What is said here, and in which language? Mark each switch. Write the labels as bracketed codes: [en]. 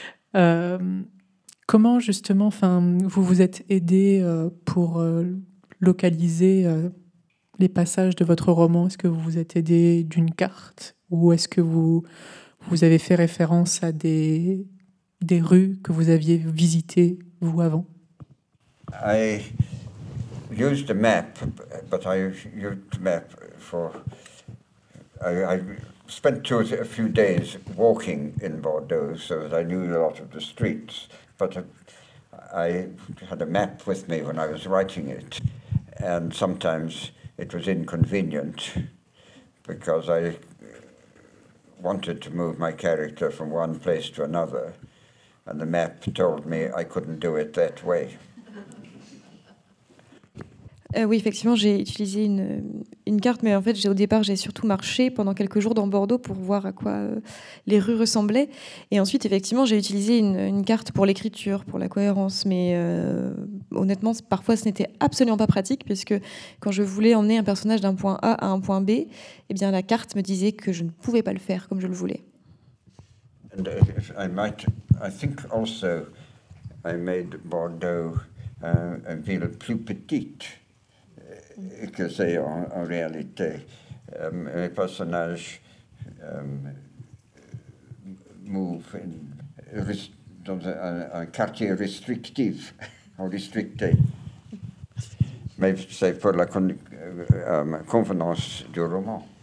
[fr] comment justement, enfin, vous vous êtes aidé pour localiser les passages de votre roman? Est-ce que vous vous êtes aidé d'une carte ou est-ce que vous avez fait référence à des rues que vous aviez visitées vous avant? [en] I used a map, but I used a map for I spent a few days walking in Bordeaux so that I knew a lot of the streets, but I had a map with me when I was writing it. And sometimes it was inconvenient because I wanted to move my character from one place to another, and the map told me I couldn't do it that way. [fr] Oui, effectivement, j'ai utilisé une carte, mais en fait, au départ, j'ai surtout marché pendant quelques jours dans Bordeaux pour voir à quoi les rues ressemblaient. Et ensuite, effectivement, j'ai utilisé une carte pour l'écriture, pour la cohérence. Mais honnêtement, parfois, ce n'était absolument pas pratique, puisque quand je voulais emmener un personnage d'un point A à un point B, eh bien, la carte me disait que je ne pouvais pas le faire comme je le voulais. [en] And if I might, I think also I made Bordeaux a [fr] ville plus petite. Que c'est en réalité. Mes personnages [en] move in [fr] dans un quartier restrictif, ou restricté. Mais c'est pour la convenance du roman.